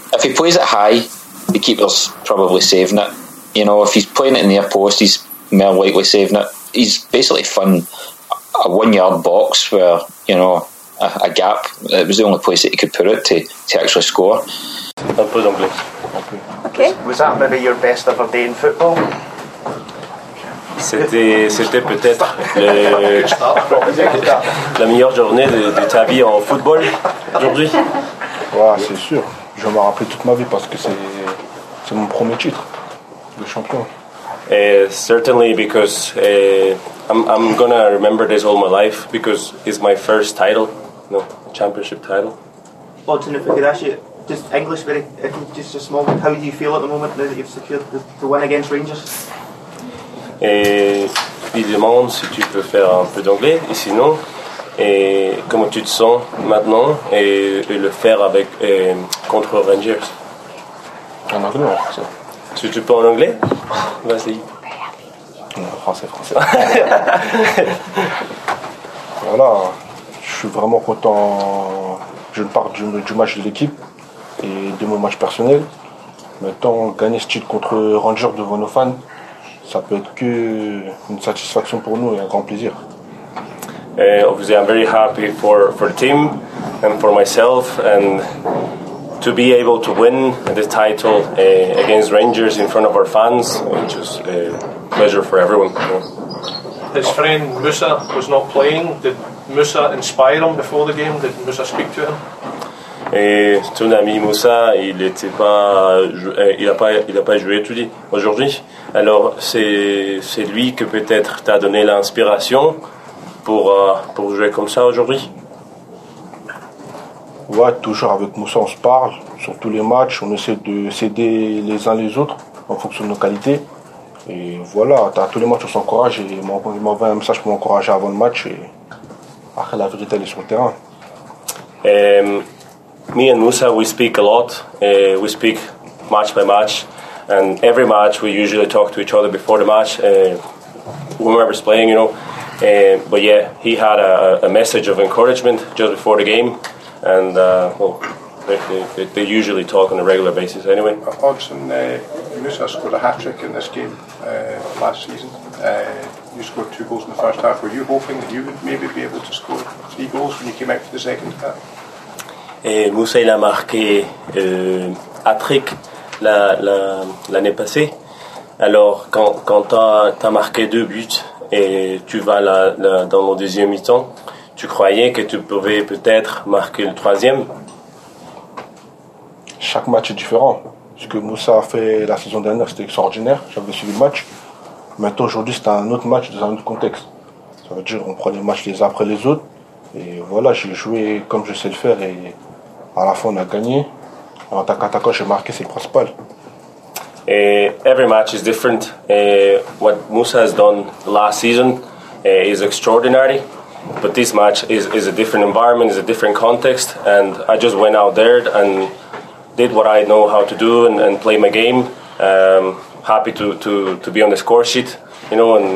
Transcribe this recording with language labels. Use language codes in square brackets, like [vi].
[en] If he plays it high, the keeper's probably saving it. You know, if he's playing it in the near post, he's more likely saving it. He's basically fun. A 1 yard box where, you know, a gap, it was the only place that he could put it to actually score. I'll put it on Glaze. Okay. Was that maybe your best ever day in football? [fr] C'était peut-être la meilleure journée de ta vie en football aujourd'hui. Ouais, c'est sûr. Je vais m'en rappeler toute ma vie parce que c'est mon premier titre de champion. [en] Certainly, because I'm gonna remember this all my life because it's my first title, no, championship title. Well, if I could ask you, just English, very just a small. How do you feel at the moment now that you've secured the win against Rangers? [fr] Et il demande si tu peux faire un peu d'anglais et sinon, et comment tu te sens maintenant et le faire avec contre Rangers. En anglais, en français. Si tu peux en anglais, vas-y. Français. Voilà, je suis vraiment content. Je pars du match de l'équipe et de mon match personnel. Maintenant, gagner ce titre contre Rangers devant nos fans, ça peut être que une satisfaction pour nous et un grand plaisir. [en] Obviously, I'm very happy for the team and for myself, and to be able to win the title against Rangers in front of our fans, which is a pleasure for everyone. His friend Moussa was not playing. Did Moussa inspire him before the game? Did Moussa speak to him? [fr] Et ton ami Moussa, il n'était pas, il a pas joué aujourd'hui. Alors c'est lui que peut-être t'a donné l'inspiration pour jouer comme ça aujourd'hui. Ouais, toujours avec Moussa, on se parle sur tous les matchs. On essaie de s'aider les uns les autres en fonction de nos qualités. Et voilà, t'as tous les matchs, on s'encourage. Et il m'envoie un message pour m'encourager avant le match. Et après, la vérité, elle est sur le terrain. [en] Me and Moussa, we speak a lot. We speak match by match, and every match we usually talk to each other before the match, whomever's playing, you know. But yeah, he had a message of encouragement just before the game, and they usually talk on a regular basis anyway. Hodgson, Moussa scored a hat-trick in this game last season. You scored 2 goals in the first half. Were you hoping that you would maybe be able to score 3 goals when you came out for the second half? [fr] Et Moussa, il a marqué hat-trick l'année passée. Alors, quand t'as marqué 2 buts et tu vas dans le deuxième mi-temps, tu croyais que tu pouvais peut-être marquer le troisième? Chaque match est différent. Ce que Moussa a fait la saison dernière, c'était extraordinaire. J'avais suivi le match. Maintenant, aujourd'hui, c'est un autre match dans un autre contexte. Ça veut dire qu'on prend les matchs les uns après les autres. Et voilà, j'ai joué comme je sais le faire et à la fin, on a gagné. En tant qu'attaquant, j'ai marqué, c'est le principal. [en] Every match is different. What Moussa has done last season is extraordinary. But this match is a different environment, is a different context. And I just went out there and did what I know how to do and play my game. Happy to be on the score sheet, you know.